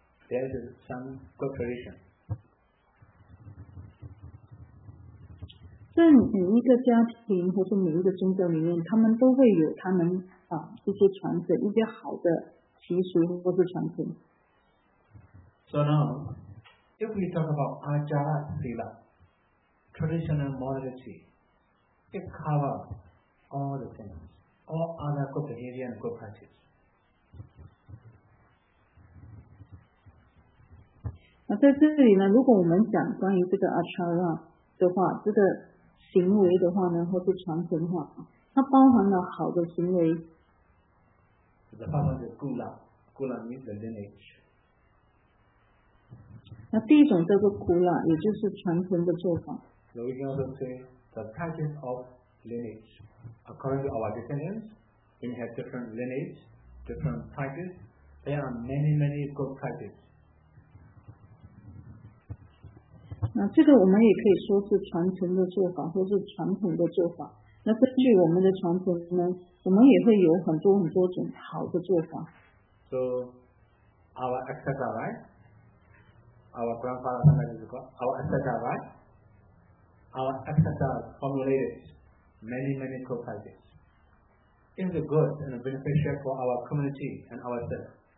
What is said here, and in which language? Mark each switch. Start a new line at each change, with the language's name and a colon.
English: there is some good tradition.
Chinese: 在每一个家庭或是每一个宗教里面，他们都会有他们啊这些传承一些好的习俗或是传承。
English: So now, if we talk about ajara sila, traditional morality, it covers all the things, all other good behavior and good practice.
Chinese: 那在这里呢，如果我们讲关于这个 achara 的话，这个行为的话呢，或是传承的话，它包含了好的行为。
English: The first one is kula. Kula means the lineage.
Chinese: 那第一种叫做 kula， 也就是传承的做法。
English: So we can also say the practice of lineage. According to our descendants, we have different lineage, different practice. There are many, many good practice.
Chinese: 那这个我们也可以说是传承的做法，或是传统的做法。那根据我们的传承呢，我们也会有很多很多种好的做法。
English: So our ancestor, right? Our grandfather, sometimes is called our ancestor, right? Our ancestor formulated many, many good practices. It's good and beneficial for our community and ourselves.